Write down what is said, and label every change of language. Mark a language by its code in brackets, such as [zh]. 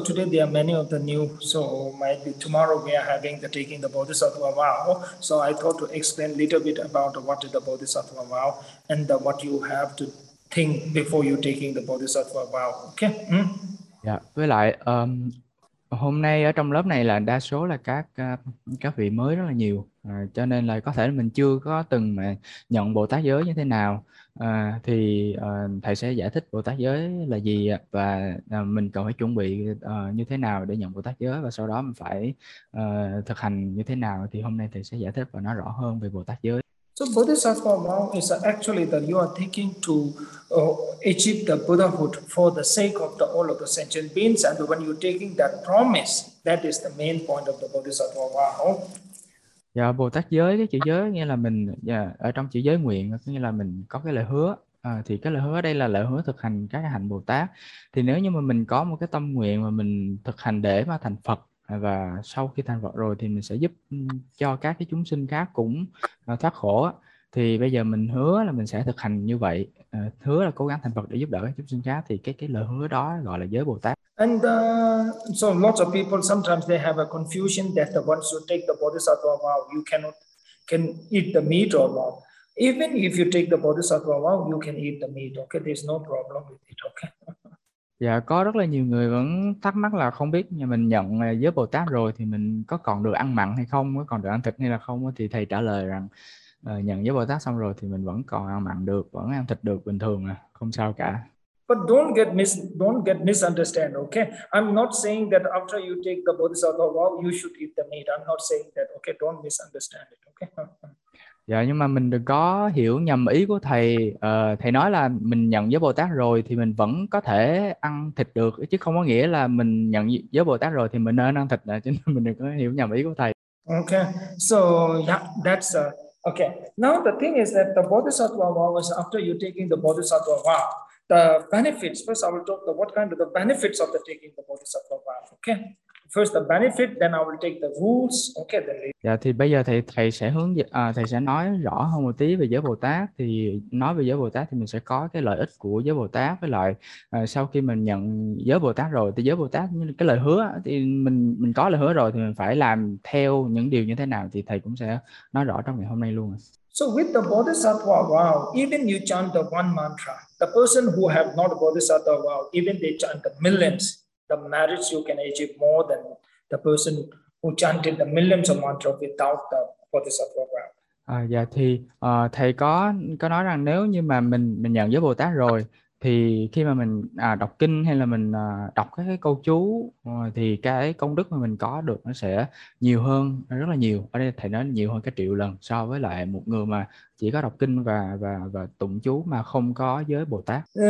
[en] today there are many of the new, so maybe tomorrow we are having the taking the Bodhisattva vow. So I thought to explain a little bit about what is the Bodhisattva vow and what you have to think before you taking the Bodhisattva vow. Okay. Mm. Yeah. [vi] Với lại hôm nay ở trong lớp này là đa số là các vị mới rất là nhiều, cho nên là có thể là mình chưa có từng mà nhận Bồ Tát giới như thế nào. Thì thầy sẽ giải thích Bồ Tát giới là gì và mình cần phải chuẩn bị như thế nào để nhận Bồ Tát giới, và sau đó mình phải thực hành như thế nào. Thì hôm nay thầy sẽ giải thích và nói rõ hơn về Bồ Tát giới. [en] So Bodhisattva vow is actually that you are taking to achieve the Buddhahood for the sake of all of the sentient beings, and when you're taking that promise, that is the main point of the Bodhisattva vow. [vi] Dạ, Bồ Tát giới, cái chữ giới nghĩa là mình, ở trong chữ giới nguyện có nghĩa là mình có cái lời hứa. Thì cái lời hứa ở đây là lời hứa thực hành các hạnh Bồ Tát. Thì nếu như mà mình có một cái tâm nguyện mà mình thực hành để mà thành Phật, và sau khi thành Phật rồi thì mình sẽ giúp cho các cái chúng sinh khác cũng thoát khổ. Thì bây giờ mình hứa là mình sẽ thực hành như vậy, hứa là cố gắng thành Phật để giúp đỡ các chúng sinh khác, thì cái lời hứa đó gọi là giới Bồ Tát. [en] And so lots of people sometimes they have a confusion that the ones who take the Bodhisattva vow, you cannot can eat the meat or not. Even if you take the Bodhisattva vow, you can eat the meat. Okay, there's no problem with it. Okay. [vi] Dạ, có rất là nhiều người vẫn thắc mắc là không biết mình nhận giới Bồ Tát rồi thì mình có còn được ăn mặn hay không, có còn được ăn thịt hay là không. Thì thầy trả lời rằng nhận giới Bồ Tát xong rồi thì mình vẫn còn ăn mặn được, vẫn ăn thịt được bình thường, không sao cả. [en] But don't get misunderstood, okay? I'm not saying that after you take the Bodhisattva vow, you should eat the meat. I'm not saying that, okay? Don't misunderstand it, okay? [vi] Dạ, nhưng mà mình đừng có hiểu nhầm ý của thầy. Thầy nói là mình nhận giới Bồ Tát rồi thì mình vẫn có thể ăn thịt được, chứ không có nghĩa là mình nhận giới Bồ Tát rồi thì mình nên ăn thịt, cho nên mình đừng có hiểu nhầm ý của thầy. [en] Okay, so yeah, that's okay. Now the thing is that the Bodhisattva vow was after you taking the Bodhisattva vow. The benefits, first I will talk about what kind of the benefits of the taking the Bodhisattva vow, okay? First the benefit, then I will take the rules, okay? Then [vi] dạ, thì bây giờ thầy sẽ hướng thầy sẽ nói rõ hơn một tí về giới Bồ Tát. Thì nói về giới Bồ Tát thì mình sẽ có cái lợi ích của giới Bồ Tát, với lại sau khi mình nhận giới Bồ Tát rồi thì giới Bồ Tát như cái lời hứa, thì mình có lời hứa rồi thì mình phải làm theo những điều như thế nào, thì thầy cũng sẽ nói rõ trong ngày hôm nay luôn. [en] So with the Bodhisattva vow, even you chant the one mantra, the person who have not Bodhisattva vow, even they chant the millions, the merits you can achieve more than the person who chanted the millions of mantra without the Bodhisattva vow. [vi] Dạ, thì thầy có nói rằng nếu như mà mình nhận giới Bồ Tát rồi, thì khi mà mình đọc kinh hay là mình đọc các cái câu chú, thì cái công đức mà mình có được nó sẽ nhiều hơn, rất là nhiều. Ở đây thầy nói nhiều hơn cái triệu lần so với lại một người mà chỉ có đọc kinh và tụng chú mà không có giới Bồ Tát.